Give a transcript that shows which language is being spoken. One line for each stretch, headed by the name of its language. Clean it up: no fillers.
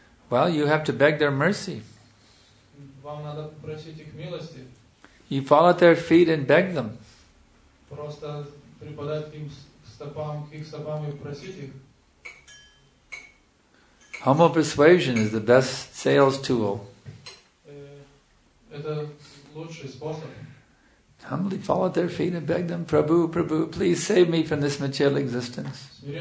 English: Well, you have to beg their mercy.
Russian: Вам надо просить их милости.
English: You fall at their feet and beg them.
Russian: Просто припадать им стопам, к их стопам и просить их.
English: Homo persuasion is the best sales tool.
Russian: Это лучший способ.
English: Humbly fall at their feet and beg them, Prabhu, Prabhu, please save me from this material existence.